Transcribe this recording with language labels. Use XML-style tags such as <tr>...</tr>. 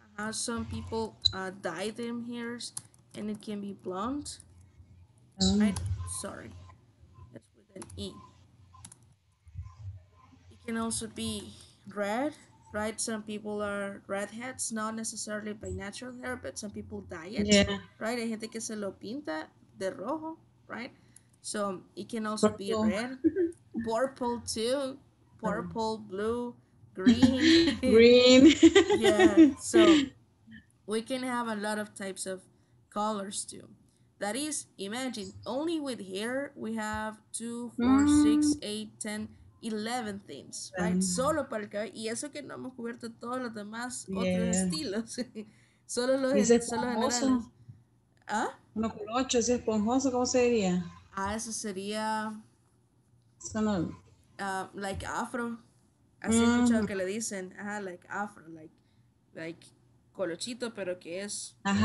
<en>Some people dye them hairs, and it can be blonde. Right? Sorry, that's with an E. Can also be red, right? Some people are redheads, not necessarily by natural hair, but some people dye it, yeah. Right?</en> <es>Hay gente que se lo pinta de rojo,</es> <en>right? So it can also purple. Be red, purple too, purple, blue, green. Yeah, so we can have a lot of types of colors too. That is, imagine, only with hair, we have 2, 4, 6, 8, 10, 11 things, right?</en> <es>Solo para el cabello. Y eso que no hemos cubierto todos los demás otros estilos. Solo los esponjosos. ¿Ah? Uno con ocho, ¿es esponjoso? ¿Cómo sería? Eso sería... Eso no.</es> <en>Like afro.</en> <es>Así he escuchado que le dicen,</es> <en>like afro,</en> <es>like colochito, pero que es</es>